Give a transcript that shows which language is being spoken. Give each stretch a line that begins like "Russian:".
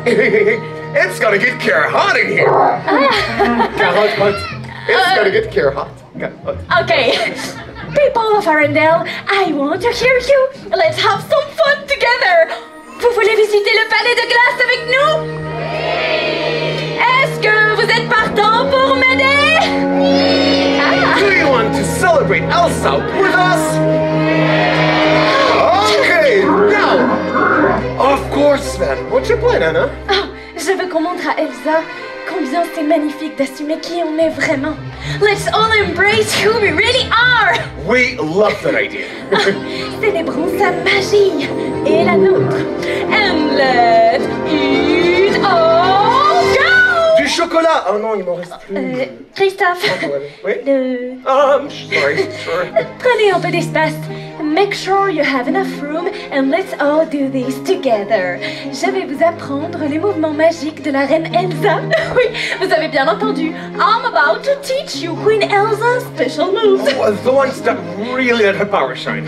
English: It's going to get care hot in here. Care hot, hot. It's going to get care hot. Okay, people of Arendelle, I want to hear you. Let's have some fun together.
French: Vous voulez visiter le palais de glace avec nous? Oui. Est-ce que vous êtes partant pour m'aider? Oui. Ah.
English: Do you want to celebrate Elsa with us? Okay, now. Of course, Sven. What's your plan, Anna?
French: Oh, je veux qu'on montre à Elsa. Combien c'est magnifique d'assumer qui on est vraiment.
English: Let's all embrace who we really are. We love that idea.
French: Célébrons sa magie et la nôtre.
English: And let's eat all go.
French: Du chocolat. Oh non, il m'en reste plus. Christophe.
English: Oh, oui. Sorry.
French: Prenez un peu d'espace.
English: Make sure you have enough room and let's all do this together.
French: Je vais vous apprendre les mouvements magiques de la reine Elsa. Oui, vous avez bien entendu.
English: I'm about to teach you Queen Elsa's special moves. Oh, the ones that really let her power shine.